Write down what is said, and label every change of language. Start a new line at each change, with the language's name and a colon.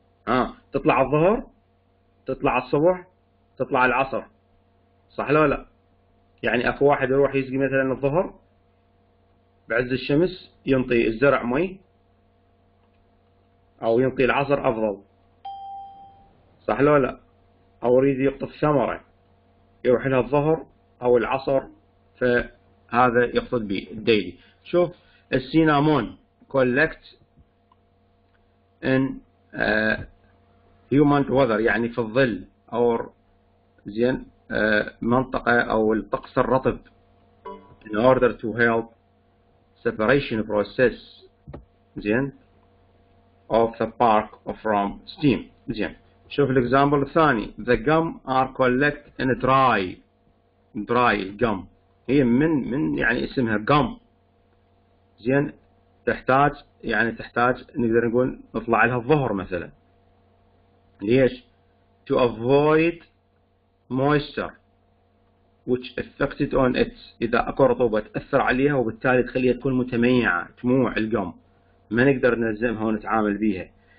Arabic: ها تطلع الظهر، تطلع الصبح، تطلع العصر، صح لا لا؟ يعني اكو واحد يروح يسقي مثلا الظهر بعز الشمس، ينطي الزرع مي، او ينطي العصر افضل، صح لا لا؟ او يريد يقطف ثمره يروح لها الظهر او العصر، فهذا يقصد به الديلي. شوف السينامون
English: collect in humid weather
Arabic: يعني في الظل، او زين منطقة او الطقس الرطب.
English: In order to help separation process زين of the bark from steam زين.
Arabic: شوف الاكزامبل الثاني
English: the gum are collect in a dry dry gum،
Arabic: هي من يعني اسمها gum زين، تحتاج يعني تحتاج نقدر نقول نطلع لها الظهر مثلا. ليش؟
English: to avoid moisture which affected on it،
Arabic: اذا اكو رطوبه تاثر عليها وبالتالي تخليها تكون متميعه تموع القم، ما نقدر نلزمها ونتعامل بيها.